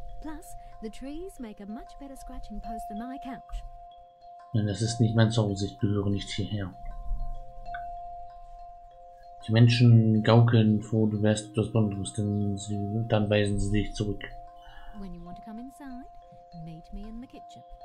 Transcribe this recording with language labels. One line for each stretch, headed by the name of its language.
English: Plus, the trees make a much better scratching post than my couch.
German: Nein, das ist nicht mein Zuhause, ich gehöre nicht hierher. Die Menschen gaukeln vor, du wärst etwas Besonderes, denn sie, dann weisen sie dich zurück.
English: When you want to come inside, meet me in the kitchen.